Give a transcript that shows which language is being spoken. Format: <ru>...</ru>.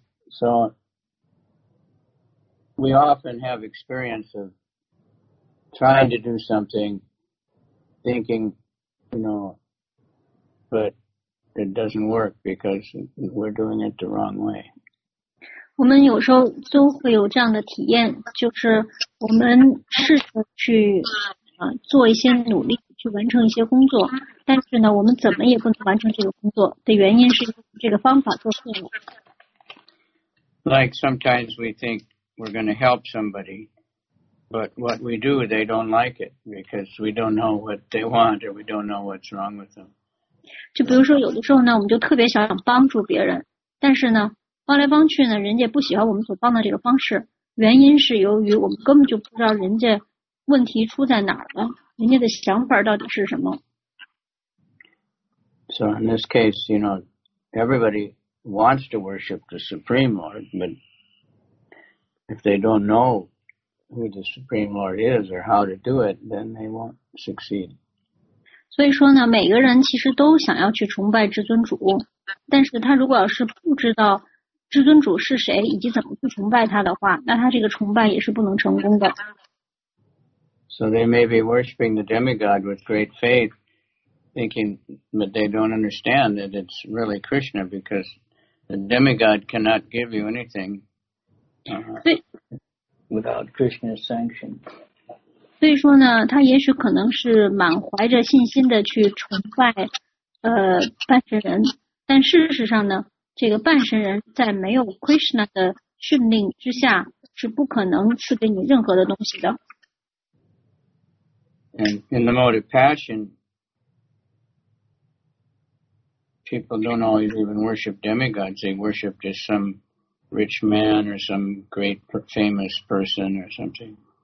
<en>So, we often have experience of trying to do something, thinking, you know, but it doesn't work because we're doing it the wrong way.</en> <zh>我们有时候都会有这样的体验，就是我们试着去做一些努力，去完成一些工作，但是呢，我们怎么也不能完成这个工作的原因是这个方法做错了。</zh> <en>Like sometimes we think we're going to help somebody, but what we do, they don't like it because we don't know what they want or we don't know what's wrong with them.</en> <zh>就比如说有的时候呢，我们就特别想帮助别人，但是呢。帮来帮去呢，人家不喜欢我们所帮的这个方式，原因是由于我们根本就不知道人家问题出在哪儿了，人家的想法到底是什么。</zh> <en>So in this case, you know, everybody wants to worship the Supreme Lord, but if they don't know who the Supreme Lord is or how to do it, then they won't succeed.</en> <zh>所以说呢，每个人其实都想要去崇拜至尊主，但是他如果要是不知道至尊主是谁以及怎么去崇拜他的话，那他这个崇拜也是不能成功的。</zh> <en>So they may be worshiping the demigod with great faith, thinking, but they don't understand that it's really Krishna because the demigod cannot give you anything without Krishna's sanction.</en> <zh>所以说呢，他也许可能是满怀着信心的去崇拜半神人，但事实上呢，这个半神人在没有 Krishna 的训令之下是不可能赐给你任何的东西的。</zh> <en>And in the mode of passion, people don't always even worship demigods. They worship just some rich man or some great famous person or something.</en>